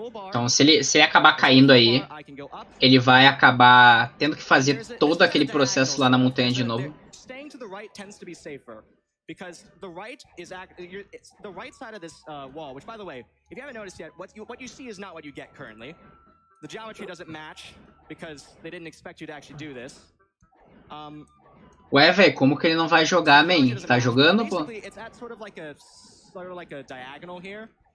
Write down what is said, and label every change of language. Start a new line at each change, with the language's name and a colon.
Portuguese: Então, se ele acabar caindo aí, ele vai acabar tendo que fazer todo aquele processo lá na montanha de novo.
English: Staying to the right tends to be safer. Because the right is the right side of this wall, which by the way, if you haven't noticed yet, what you see is not what you get currently. The geometry doesn't match because they didn't expect you to actually do this.
Portuguese: Ué, velho, como que ele não vai jogar, man? Tá jogando, pô?
English: It's at sort of like a diagonal here.